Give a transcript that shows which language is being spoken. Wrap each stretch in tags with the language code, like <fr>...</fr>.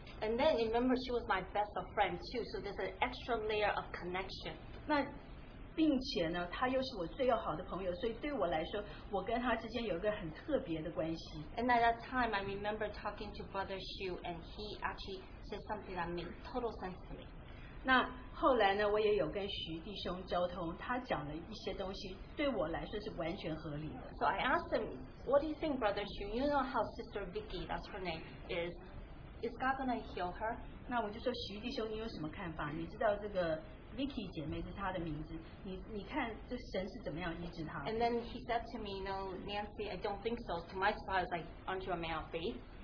<en>And then remember, she was my best of friend too, so there's an extra layer of connection.</en> <zh>并且呢，他又是我最要好的朋友，所以对我来说，我跟他之间有一个很特别的关系。</zh> <en>And at that time, I remember talking to Brother Xu, and he actually said something that made total sense to me.</en> <zh>那后来呢，我也有跟徐弟兄交通，他讲了一些东西，对我来说是完全合理的。</zh> <en>So I asked him, what do you think, Brother Xu? You know how Sister Vicky, that's her name, is. Is God gonna heal her?</en> <zh>那我就说，徐弟兄，你有什么看法？你知道这个 Vicky 姐妹是她的名字，你看这神是怎么样医治她</zh> <en>？And then he said to me, "No, Nancy, I don't think so." To my surprise, like, "Aren't you a man of faith?"</en>